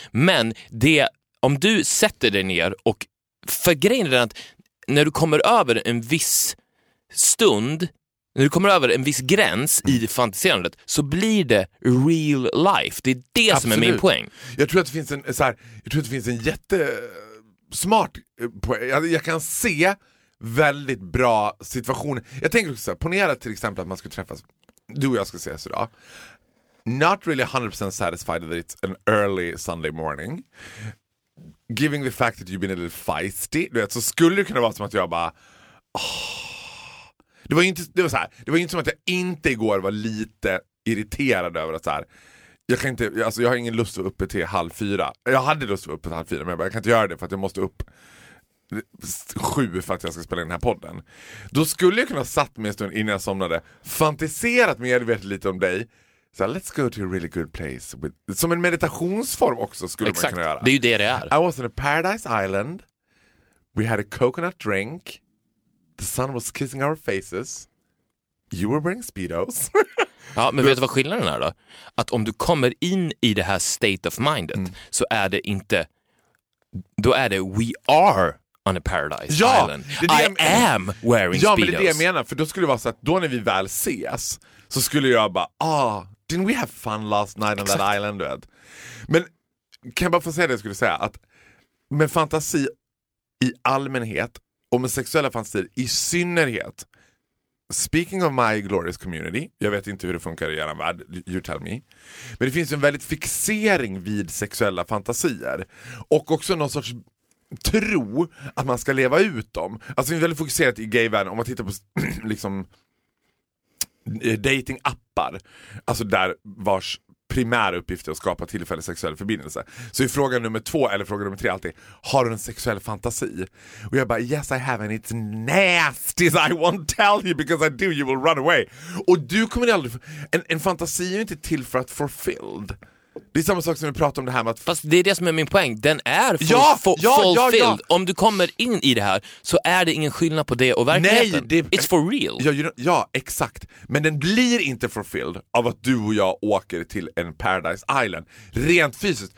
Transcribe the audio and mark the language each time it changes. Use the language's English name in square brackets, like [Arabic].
[Swedish] Men det, om du sätter dig ner och förgrejer den att när du kommer över en viss stund, när du kommer över en viss gräns i fantiserandet, så blir det real life. Det är det absolut som är min poäng. Jag tror att det finns en så här, jag tror att det finns en jättesmart poäng. Jag kan se väldigt bra situationer. Jag tänker också så här, ponera till exempel att man skulle träffas, du och jag ska ses idag. [English] Not really 100% satisfied that it's an early Sunday morning. giving the fact that you've been a little feisty, [Swedish] du vet, så skulle det kunna vara som att jag bara det var ju inte, det var så här, det var ju inte som att jag inte igår var lite irriterad över att så här, jag kan inte, alltså jag har ingen lust att vara uppe till 3:30. Jag hade lust att vara uppe till 4:30, men jag, bara, jag kan inte göra det för att jag måste upp 7 för att jag ska spela in den här podden. Då skulle jag kunna satt mig en stund innan jag somnade, fantiserat medvetet lite om dig. Så här, [English] let's go to a really good place with, [Swedish] som en meditationsform också skulle exakt, man kunna göra. Det är ju det det är. [English] I was in a paradise island. We had a coconut drink. The sun was kissing our faces. You were wearing speedos. [Swedish] Ja, men vet du vad skillnaden är då? Att om du kommer in i det här state of mindet, mm, så är det inte, då är det [English] we are on a paradise, [Swedish] ja, island. Det är det [English] am wearing, speedos. [Swedish] Ja, men det är det jag menar. För då skulle det vara så att då när vi väl ses så skulle jag bara, ah, [English] didn't we have fun last night [Swedish] on exakt, [English] that island, [Swedish] du vet? Men kan jag bara få säga det jag skulle säga? Att med fantasi i allmänhet och med sexuella fantasier i synnerhet, [English] speaking of my glorious community, [Swedish] jag vet inte hur det funkar i er värld, [English] you tell me. [Swedish] Men det finns en väldigt fixering vid sexuella fantasier. Och också någon sorts tro att man ska leva ut dem. Alltså det är väldigt fokuserat i gayvärlden, om man tittar på liksom datingappar, alltså där vars primära uppgift är att skapa tillfällig sexuell förbindelse. Så i fråga nummer 2 eller fråga nummer 3 alltid, har du en sexuell fantasi? Och jag bara, [English] yes I have and it's nasty, I won't tell you because I do, you will run away. [Swedish] Och du kommer aldrig, en fantasi är ju inte till för att fulfilled. Det är samma sak som vi pratar om det här med att, fast det är det som är min poäng, den är fulfilled. Om du kommer in i det här så är det ingen skillnad på det och verkligheten. Nej, det, [English] it's for real. [Swedish] Ja, exakt. Men den blir inte fulfilled av att du och jag åker till en paradise island rent fysiskt.